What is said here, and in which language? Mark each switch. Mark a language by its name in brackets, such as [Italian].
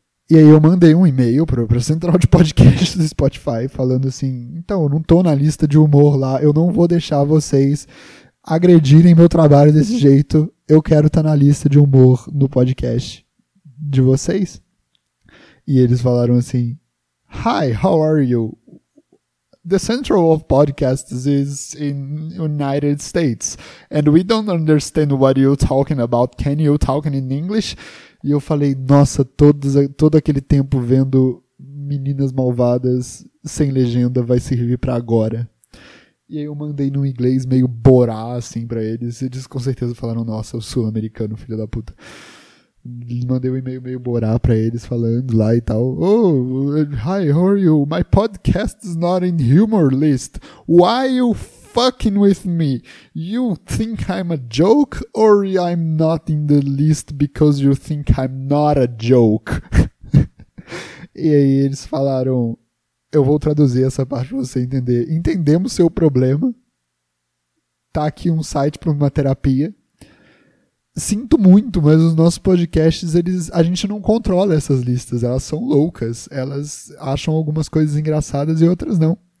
[Portuguese] E aí eu mandei um e-mail pra central de podcasts do Spotify falando assim, então, eu não tô na lista de humor lá, eu não vou deixar vocês agredirem meu trabalho desse jeito, eu quero estar na lista de humor no podcast de vocês. E eles falaram assim, [English] hi, how are you? The central of podcasts is in United States. And we don't understand what you're talking about. Can you talk in English? [Portuguese] E eu falei, nossa, todo aquele tempo vendo meninas malvadas sem legenda vai servir pra agora. E aí eu mandei num inglês meio borá, assim, pra eles. Eles com certeza falaram, nossa, eu sou americano, filho da puta. Mandei um e-mail meio borá pra eles falando lá e tal. [English] Oh, hi, how are you? My podcast is not in humor list. Why are you fucking with me? You think I'm a joke or I'm not in the list because you think I'm not a joke? [Portuguese] E aí eles falaram, eu vou traduzir essa parte pra você entender. Entendemos seu problema. Tá aqui um site pra uma terapia. Sinto muito, mas os nossos podcasts, a gente não controla essas listas, elas são loucas, elas acham algumas coisas engraçadas e outras não.